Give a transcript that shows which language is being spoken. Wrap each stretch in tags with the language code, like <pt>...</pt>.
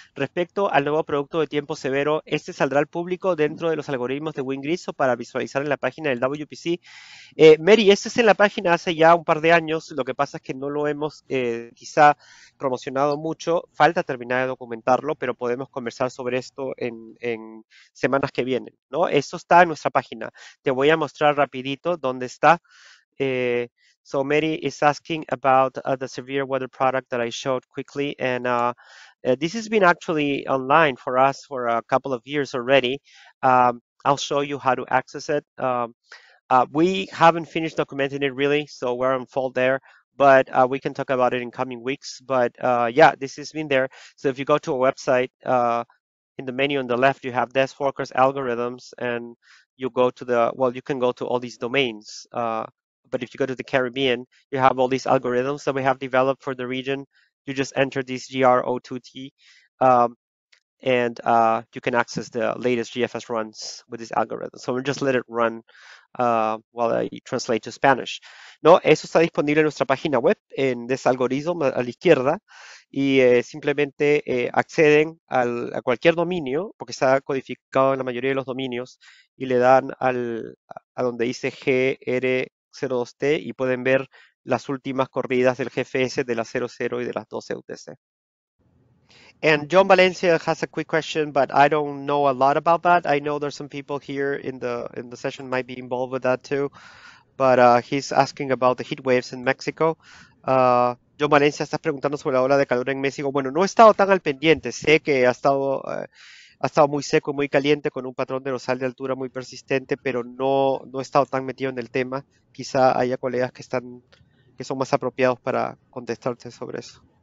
<es>Respecto al nuevo producto de tiempo severo, ¿este saldrá al público dentro de los algoritmos de WinGrid o para visualizar en la página del WPC? Mary, este es en la página hace ya un par de años, lo que pasa es que no lo hemos quizá promocionado mucho, falta terminar de documentarlo, pero podemos conversar sobre esto en semanas que vienen, ¿no? Esto está en nuestra página. Te voy a mostrar rapidito dónde está.</es> <en>So Mary is asking about the severe weather product that I showed quickly, and this has been actually online for us for a couple of years already. I'll show you how to access it. We haven't finished documenting it really, so we're on fault there, but we can talk about it in coming weeks. But yeah, this has been there. So if you go to a website, in the menu on the left, you have Desk Forecast Algorithms, and you go to the well, you can go to all these domains. But if you go to the Caribbean, you have all these algorithms that we have developed for the region. You just enter this GRO2T, and you can access the latest GFS runs with this algorithm. So we'll just let it run while I translate to Spanish.</en> <es>No, eso está disponible en nuestra página web, en Desalgoritmo a la izquierda, y simplemente acceden a cualquier dominio, porque está codificado en la mayoría de los dominios, y le dan a donde dice GR 02T y pueden ver las últimas corridas del GFS de las 00 y de las 12 UTC.</es> <en>And John Valencia has a quick question, but I don't know a lot about that. I know there's some people here in the session might be involved with that too. but he's asking about the heat waves in Mexico.</en> <es>John Valencia está preguntando sobre la ola de calor en México. Bueno, no he estado tan al pendiente. Sé que ha estado muy seco y muy caliente con un patrón de nosal de altura muy persistente, pero no he estado tan metido en el tema. Quizá haya colegas que son más apropiados para contestarte sobre eso.</es>